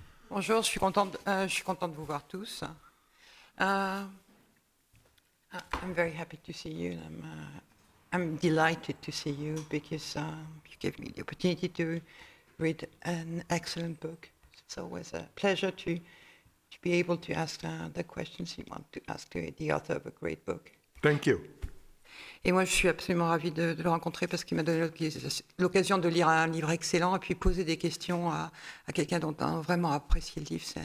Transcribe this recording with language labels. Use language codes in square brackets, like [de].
[fr] Bonjour, je suis contente de vous voir tous. [en] I'm very happy to see you. I'm delighted to see you because you gave me the opportunity to read an excellent book. It's always a pleasure to be able to ask the questions you want to ask to the author of a great book. Thank you. [fr] Et moi, je suis absolument ravie de le rencontrer parce qu'il m'a donné l'occasion de lire un livre excellent et puis poser des questions à quelqu'un dont on a vraiment apprécié le livre.